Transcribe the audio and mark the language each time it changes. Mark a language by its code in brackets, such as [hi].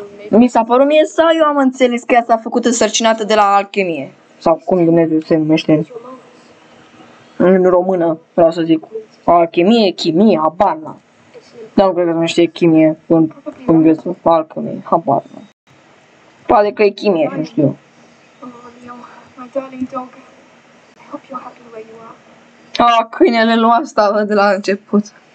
[ro] Mi s-a părut mie sau eu am înțeles că ea s-a făcut însărcinată de la alchimie? Sau cum Dumnezeu se numește? În română, vreau să zic. Alchimie, chimie, habarna. Dar nu cred că numește chimie în engleză. Alchimie, habarna. Poate că e chimie, nu știu. [en] Oh, Leo, my darling dog. I hope you're happy where you are. [ro] Ah, oh, câinele lua asta de la început.